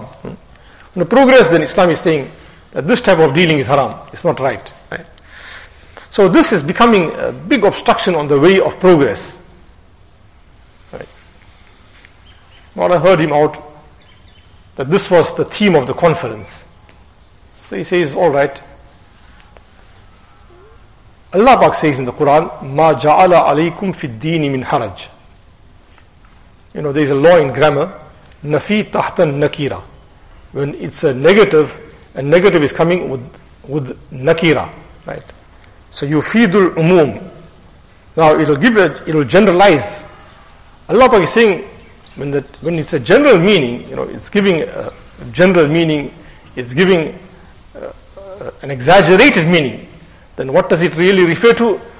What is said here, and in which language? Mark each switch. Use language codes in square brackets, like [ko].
[en] When you progress, then Islam is saying that this type of dealing is haram. It's not right. So this is becoming a big obstruction on the way of progress. Right. Well, I heard him out that this was the theme of the conference. So he says, all right. Allah Pak says in the Quran, [ar] مَا جَعَلَ عَلَيْكُمْ فِي الدِّينِ مِنْ حَرَجِ. [en] You know, there is a law in grammar, [ar] نَفِي تَحْتَ النَّكِيرَ. [en] When it's a negative, a negative is coming with nakira, right? So [ar] yufidul umum. [en] Now it'll generalize. Allah Pak is saying when it's a general meaning, you know, it's giving a general meaning, it's giving an exaggerated meaning, then what does it really refer to?